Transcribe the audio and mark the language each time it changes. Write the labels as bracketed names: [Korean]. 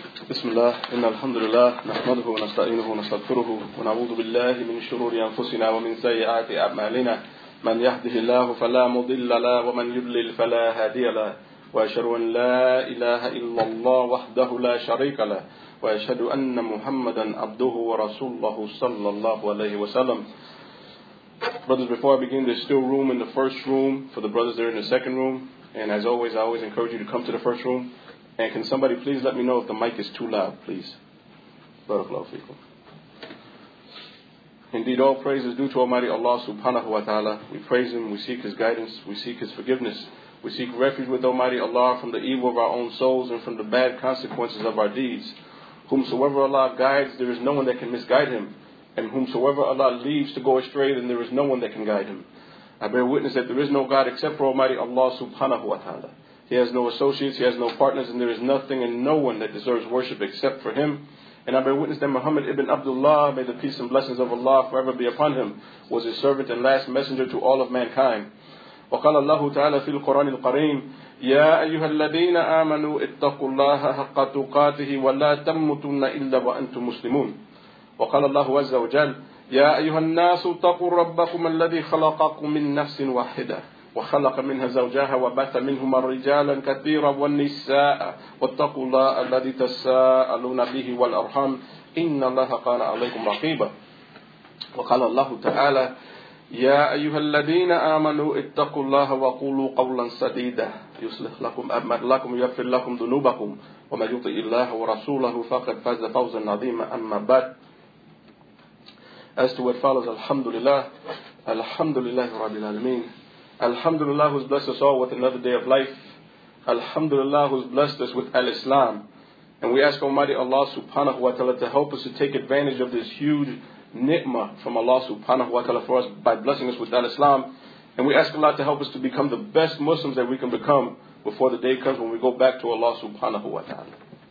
[Arabic] بسم الله إن الحمد لله نحمده ونستعينه ونستغفره ونعوذ بالله من شرور أنفسنا ومن سيئات أعمالنا من يهده الله فلا مضل له ومن يضلل فلا هادي له وأشهد أن لا إله إلا الله وحده لا شريك له وأشهد أن محمدا عبده ورسوله صلى الله عليه وسلم. [English] Brothers, before I begin, there's still room in the first room for the brothers that are in the second room. And as always, I always encourage you to come to the first room. And can somebody please let me know if the mic is too loud, please? Barakallahu feekum. Indeed, all praise is due to Almighty Allah subhanahu wa ta'ala. We praise Him, we seek His guidance, we seek His forgiveness. We seek refuge with Almighty Allah from the evil of our own souls and from the bad consequences of our deeds. Whomsoever Allah guides, there is no one that can misguide him. And whomsoever Allah leaves to go astray, then there is no one that can guide him. I bear witness that there is no God except for Almighty Allah subhanahu wa ta'ala. He has no associates, he has no partners, and there is nothing and no one that deserves worship except for him. And I bear witness that Muhammad ibn Abdullah, may the peace and blessings of Allah forever be upon him, was his servant and last messenger to all of mankind. [Arabic] وقال الله تعالى في القرآن الكريم يا أيها الذين آمنوا اتقوا الله حق تقاته ولا تموتن إلا وأنتم مسلمون. وقال الله عز وجل يا أيها الناس اتقوا ربكم الذي خلقكم من نفس واحدة وخلق منها زوجها وبث منهما رجالا كثيرا والنساء واتقوا الله الذي تساءلون به والأرحام إن الله كان عليكم رقيبا. وقال الله تعالى يا أيها الذين آمنوا اتقوا الله وقولوا قولا سديدا يصلح لكم أعمالكم ويغفر لكم ذنوبكم ومن يطع الله ورسوله فقد فاز فوزا عظيما. أما بعد, [English] as to what follows, Alhamdulillah, Alhamdulillah Rabbil Alameen, Alhamdulillah who's blessed us all with another day of life, Alhamdulillah who's blessed us with Al-Islam, and we ask Almighty Allah subhanahu wa ta'ala to help us to take advantage of this huge ni'mah from Allah subhanahu wa ta'ala for us by blessing us with Al-Islam, and we ask Allah to help us to become the best Muslims that we can become before the day comes when we go back to Allah subhanahu wa ta'ala.